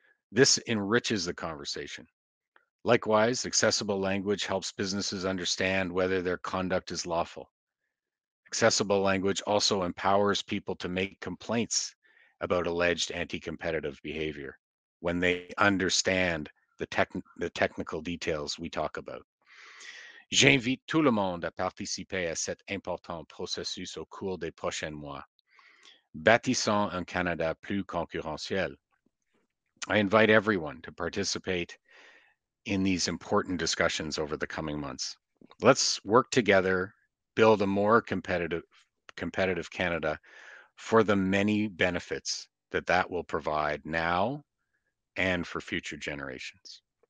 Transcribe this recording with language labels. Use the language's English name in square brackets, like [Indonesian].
[English] This enriches the conversation. Likewise, accessible language helps businesses understand whether their conduct is lawful. Accessible language also empowers people to make complaints about alleged anti-competitive behavior when they understand the technical details we talk about. [French] J'invite tout le monde à participer à cet important processus au cours des prochains mois. Bâtissons un Canada plus concurrentiel. [English] I invite everyone to participate in these important discussions over the coming months. Let's work together, build a more competitive Canada for the many benefits that will provide now and for future generations.